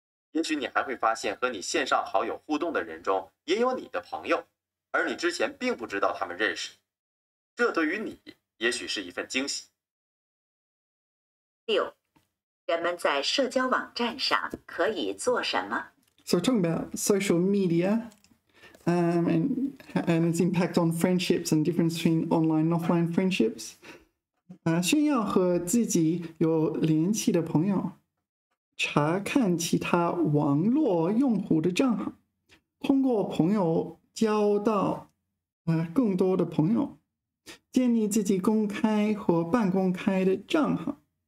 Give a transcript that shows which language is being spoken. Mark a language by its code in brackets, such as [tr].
[zh] 也许你还会发现和你线上好友互动的人中也有你的朋友，而你之前并不知道他们认识，这对于你也许是一份惊喜。六，人们在社交网站上可以做什么？ [en] So talking about social media, and its impact on friendships and difference between online and offline friendships. [zh] 炫耀和自己有联系的朋友，查看其他网络用户的账号，通过朋友交到更多的朋友，建立自己公开或半公开的账号。